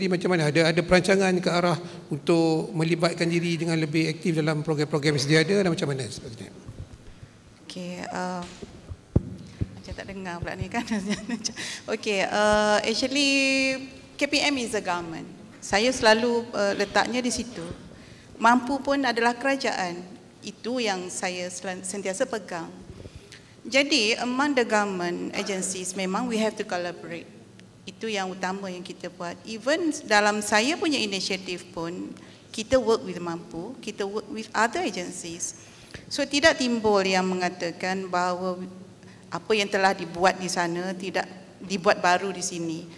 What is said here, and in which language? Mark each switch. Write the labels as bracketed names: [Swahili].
[Malay] Jadi macam mana, ada perancangan ke arah untuk melibatkan diri dengan lebih aktif dalam program-program yang sedia ada dan macam mana sebenarnya? Okey, macam tak dengar pula ni kan. [English] Okey, actually KPM is a government. [Malay] Saya selalu letaknya di situ. Mampu pun adalah kerajaan. Itu yang saya sentiasa pegang. Jadi [English] among the government agencies, [Malay] memang [English] we have to collaborate. [Malay] Itu yang utama yang kita buat. [English] Even [Malay] dalam saya punya inisiatif pun, kita [English] work with [Malay] Mampu, kita [English] work with other agencies. [Malay] So tidak timbul yang mengatakan bahawa apa yang telah dibuat di sana tidak dibuat baru di sini.